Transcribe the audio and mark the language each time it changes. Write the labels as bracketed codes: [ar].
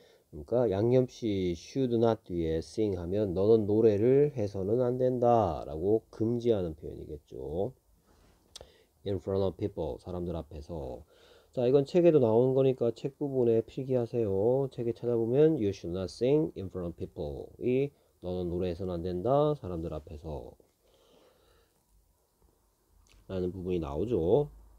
[ko] 그러니까 양념시 [en] should not [ko] 뒤에 sing 하면 너는 노래를 해서는 안 된다라고 금지하는 표현이겠죠. [en] In front of people, [ko] 사람들 앞에서. 자, 이건 책에도 나오는 거니까 책 부분에 필기하세요. 책에 찾아보면 [en] You should not sing in front of people. [ko] 이 너는 노래해서는 안 된다, 사람들 앞에서 라는 부분이 나오죠.